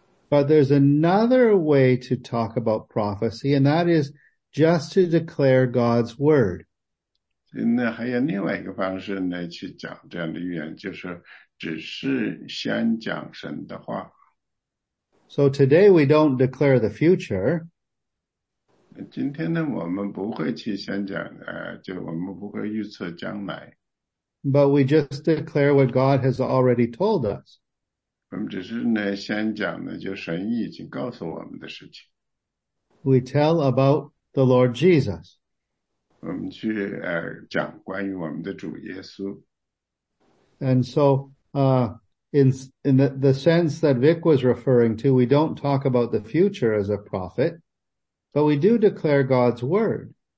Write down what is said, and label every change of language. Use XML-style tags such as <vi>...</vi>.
<en>But there's another way to talk about prophecy, and that is just to declare God's word.</en> <zh>那还有另外一个方式呢去讲这样的预言，就是。</zh> <en>So today we don't declare the future.</en> <zh>今天呢，我们不会去先讲，就我们不会预测将来。</zh> <en>But we just declare what God has already told us.</en> <zh>我们只是呢先讲呢，就神已经告诉我们的事情。</zh> <en>We tell about the Lord Jesus.</en> <zh>我们去讲关于我们的主耶稣。</zh> <en>And so In the sense that Vic was referring to, we don't talk about the future as a prophet, but we do declare God's word.</en>